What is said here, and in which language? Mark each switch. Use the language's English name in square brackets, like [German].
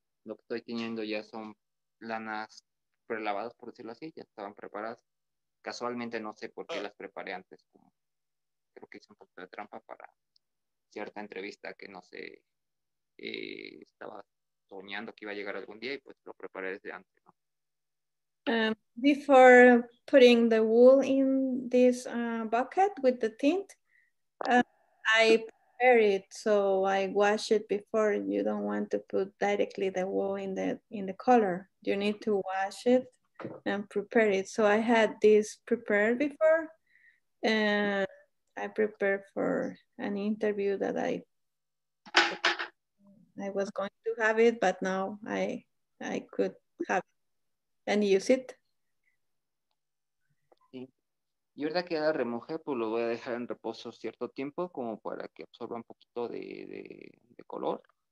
[Spanish] Lo que estoy tiñendo ya son lanas prelavadas, por decirlo así, ya estaban preparadas. Casualmente no sé por qué las preparé antes, como creo que hice un poco de trampa para cierta entrevista que no sé, estaba soñando que iba a llegar algún día y pues lo preparé desde antes, ¿no? [English] Before putting the wool in this bucket with the tint, I prepare it, so I wash it before. You don't want to put directly the wool in the color. You need to wash it and prepare it. So I had this prepared before, and I prepared for an interview that I was going to have it, but now I could have it and use it. [Spanish] Y ahora que la remojé, pues lo voy a dejar en reposo cierto tiempo como para que absorba un poquito de color.